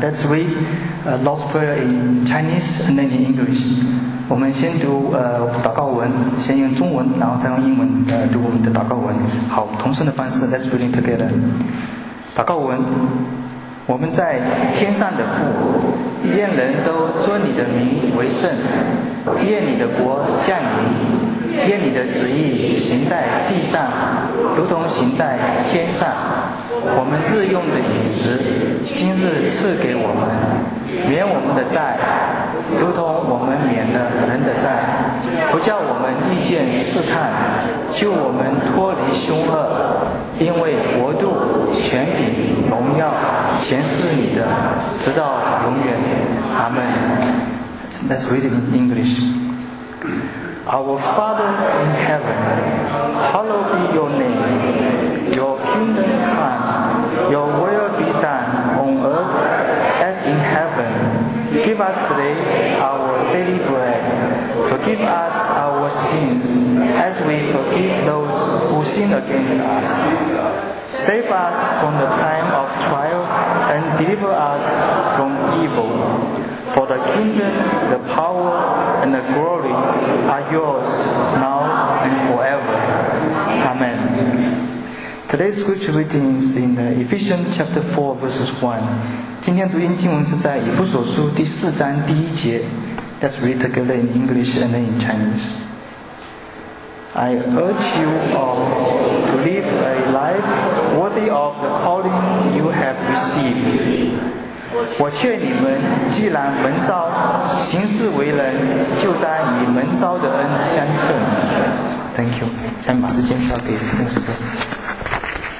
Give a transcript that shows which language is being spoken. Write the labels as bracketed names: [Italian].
[English] Let's read Lord's Prayer in Chinese and then in English. [Chinese] 我们先读祷告文，先用中文，然后再用英文读我们的祷告文。好，同声的方式 ， [English] Let's read it together. [Chinese] 祷告文：我们在天上的父，愿人都尊你的名为圣，愿你的国降临。愿你的旨意行在地上，如同行在天上。我们日用的饮食，今日赐给我们，免我们的债，如同我们免了人的债。不叫我们遇见试探，救我们脱离凶恶。因为国度、权柄、荣耀，全是你的，直到永远。 [English] 阿们。Let's read it in English. Our Father in heaven, hallowed be your name. Your kingdom come, your will be done on earth as in heaven. Give us today our daily bread. Forgive us our sins as we forgive those who sin against us. Save us from the time of trial and deliver us from evil. For the kingdom, the power, and the glory are yours, now and forever. Amen. Today's scripture reading is in Ephesians chapter 4, verses 1. [Chinese] 今天读经经文是在以弗所书第四章第一节。 [English] Let's read together in English and then in Chinese. I urge you all to live a life worthy of the calling you have received. [Chinese] 我劝你们，既然蒙召，行事为人，就当以蒙召的恩相称。 [English] Thank you。 [Chinese] 下面把时间交给牧师。